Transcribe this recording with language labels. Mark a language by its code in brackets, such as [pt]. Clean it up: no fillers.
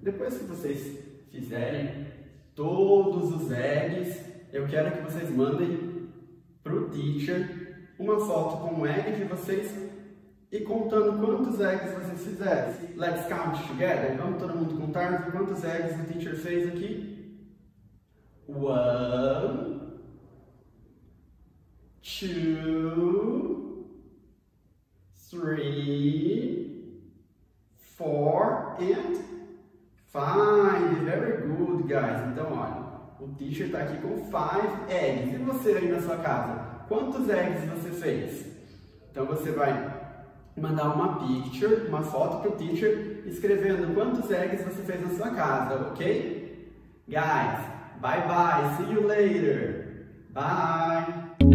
[pt] Depois que vocês fizerem todos os eggs, eu quero que vocês mandem para o teacher uma foto com o egg de vocês e contando quantos eggs vocês fizeram. [en] Let's count together. [pt] Vamos todo mundo contar quantos eggs o teacher fez aqui. [en] One, two, three, four, and five. Very good, guys. [pt] Então, olha, o teacher está aqui com five eggs. E você aí na sua casa? quantos eggs você fez? Então você vai mandar uma picture, uma foto para o teacher, escrevendo quantos eggs você fez na sua casa, ok? [en] Guys, bye bye, see you later, bye!